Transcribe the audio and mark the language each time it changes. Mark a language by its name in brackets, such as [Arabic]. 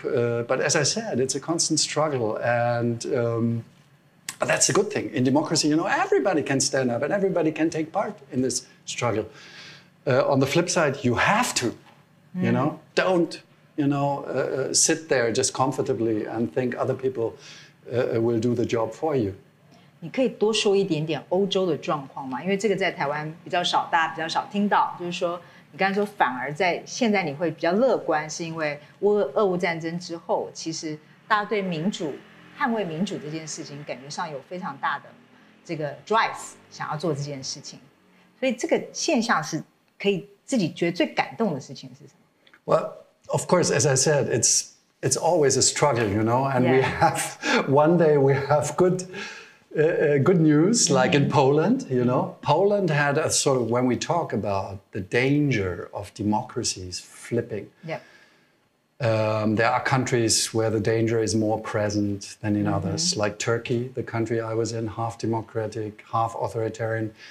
[English] But as I said, it's a constant struggle. And but that's a good thing. In democracy, you know, everybody can stand up and everybody can take part in this struggle. On the flip side, you have to, you know, don't, you know, sit there just comfortably and think other people will do the job for you. [Chinese] 你可以多说一点点欧洲的状况吗？因为这个在台湾比较少，大家比较少听到。就是说，你刚才说反而在现在你会比较乐观，是因为俄乌战争之后，其实大家对民主、捍卫民主这件事情，感觉上有非常大的这个 drive 想要做这件事情。所以这个现象是可以自己觉得最感动的事情是什么 [English] ？Well, of course, as I said, it's always a struggle, you know, and we have one day we have good. Good news, like in Poland, you know. Poland had a sort of, when we talk about the danger of democracies flipping, there are countries where the danger is more present than in others, like Turkey, the country I was in, half democratic, half authoritarian.